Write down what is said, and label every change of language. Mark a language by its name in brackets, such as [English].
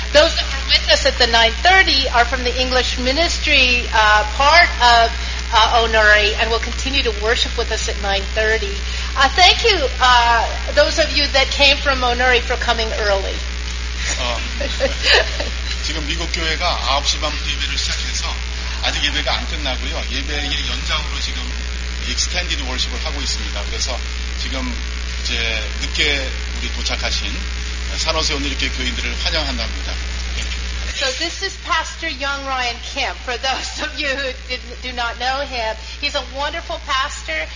[English] Those that were with us at the 9:30 are from the English ministry part of Onori and will continue to worship with us at 9:30. Thank you, those of you that came from Onori, for coming early. [Korean] 지금 미국 교회가 9시 반 예배를 시작해서 아직 예배가 안 끝나고요. 예배의 연장으로 지금 [English] extended worship [Korean] 을 하고 있습니다. 그래서 지금 이제 늦게 우리 도착하신 산호세 오늘 이렇게 교인들을 환영한답니다. [English] So this is Pastor Young Ryan Kim. For those of you who do not know him, he's a wonderful pastor.